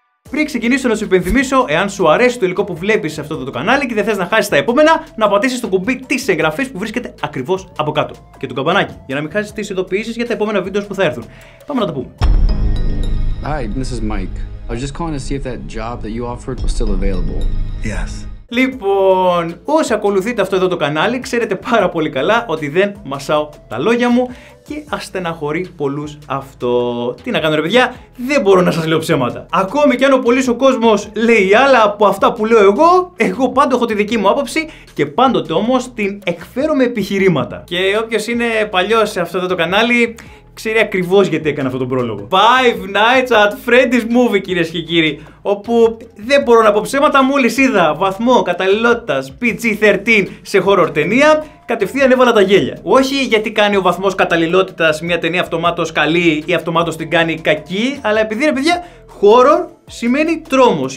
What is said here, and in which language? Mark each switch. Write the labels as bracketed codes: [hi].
[el] Πριν ξεκινήσω να σου υπενθυμίσω, εάν σου αρέσει το υλικό που βλέπεις σε αυτό το κανάλι και δεν θες να χάσεις τα επόμενα, να πατήσεις το κουμπί της εγγραφής που βρίσκεται ακριβώς από κάτω. Και το καμπανάκι, για να μην χάσεις τις ειδοποιήσεις για τα επόμενα βίντεο που θα έρθουν. Πάμε να τα πούμε. [en] Hi, this is Mike. I was just calling to see if that job that you offered was still available. Yes. [el] Λοιπόν, όσοι ακολουθείτε αυτό εδώ το κανάλι, ξέρετε πάρα πολύ καλά ότι δεν μασάω τα λόγια μου και αστεναχωρεί πολλούς αυτό. Τι να κάνω ρε παιδιά, δεν μπορώ να σας λέω ψέματα. Ακόμη κι αν ο πολύς ο κόσμος λέει άλλα από αυτά που λέω εγώ, εγώ πάντα έχω τη δική μου άποψη και πάντοτε όμως την εκφέρω με επιχειρήματα. Και όποιος είναι παλιός σε αυτό εδώ το κανάλι, ξέρει ακριβώς γιατί έκανα αυτόν τον πρόλογο. Five Nights at Freddy's Movie, κυρίες και κύριοι. Όπου δεν μπορώ να πω ψέματα, μόλις είδα βαθμό καταλληλότητας PG-13 σε horror ταινία, κατευθείαν έβαλα τα γέλια. Όχι γιατί κάνει ο βαθμός καταλληλότητας μια ταινία αυτομάτως καλή ή αυτομάτως την κάνει κακή, αλλά επειδή είναι παιδιά, horror σημαίνει τρόμος.